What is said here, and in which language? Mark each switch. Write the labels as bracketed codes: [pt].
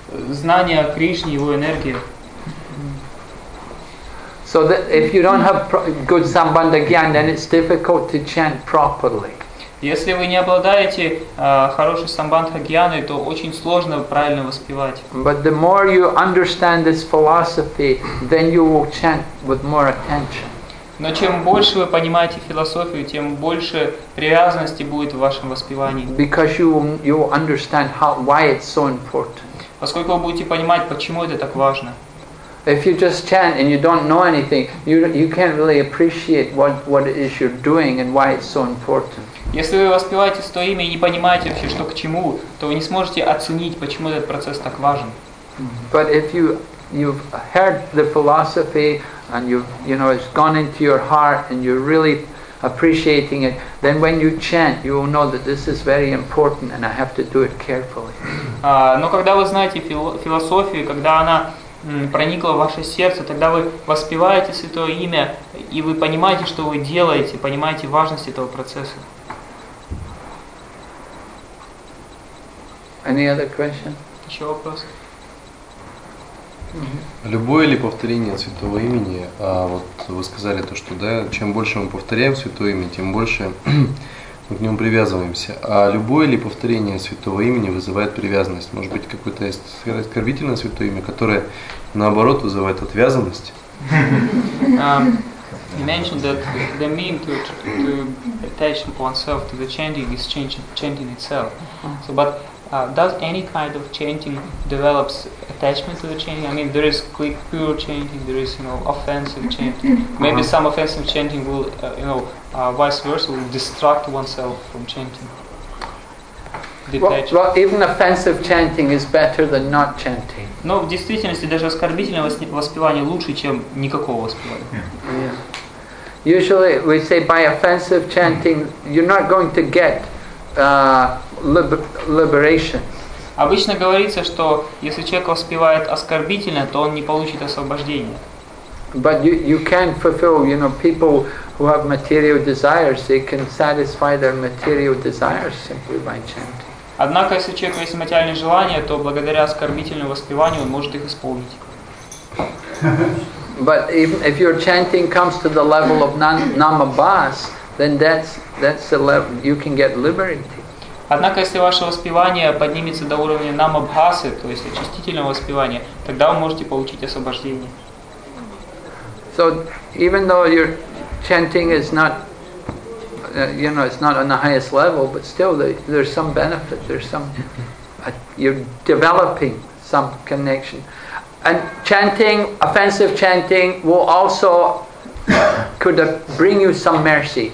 [ru] Знание Кришны, его энергии. [en] So that if you don't have good sambandha gyan, then it's difficult to chant properly. [ru] Если вы не обладаете хорошей самбандха гьяной, то очень сложно правильно воспевать. [en] But the more you understand this philosophy, then you will chant with more attention. [ru] Но чем больше вы понимаете философию, тем больше привязанности будет в вашем воспевании. [en] Because you will understand how why it's so important. [ru] Поскольку вы будете понимать, почему это так важно. [en] If you just chant and you don't know anything, you can't really appreciate what it is you're doing and why it's so important. [ru] Если вы воспеваете свое имя и не понимаете вообще, что к чему, то вы не сможете оценить, почему этот процесс так важен. [en] But if you've heard the philosophy and you know it's gone into your heart and you're really appreciating it, then when you chant, you will know that this is very important and I have to do it carefully. [ru] Но когда вы знаете философию, когда она проникло в ваше сердце, тогда вы воспеваете святое имя и вы понимаете, что вы делаете, понимаете важность этого процесса. [en] Any other question? [ru] Еще вопрос? Любое ли повторение святого имени, вот вы сказали то, что да, чем больше мы повторяем святое имя, тем больше мы к нему привязываемся. А любое ли повторение святого имени вызывает привязанность? Может быть, какое-то оскорбительное святое имя, которое наоборот вызывает отвязанность? [en] You mentioned that the mean to attach oneself to the chanting is chanting itself. So, but does any kind of chanting develops attachment to the chanting? I mean, there is pure chanting, there is, you know, offensive chanting. Maybe some offensive chanting will, you know, vice versa, will distract oneself from chanting. Well, even offensive chanting is better than not chanting. [ru] Но в действительности даже оскорбительное воспевание лучше, чем никакого воспевания. [en] Usually we say by offensive chanting, you're not going to get liberation. [ru] Обычно говорится, что если человек воспевает оскорбительно, то он не получит освобождение. [en] But you can fulfill, you know, people who have material desires, they can satisfy their material desires simply by chanting. [ru] Однако, если у человека есть материальные желания, то благодаря оскорбительному воспеванию он может их исполнить. [en] But if your chanting comes to the level of namabhas, then that's the level you can get liberated. [ru] Однако, если ваше воспевание поднимется до уровня намабхасы, то есть очистительного воспевания, тогда вы можете получить освобождение. [en] So even though your chanting is not, you know, it's not on the highest level, but still there's some benefit, there's some, you're developing some connection. And chanting, offensive chanting, will also could bring you some mercy.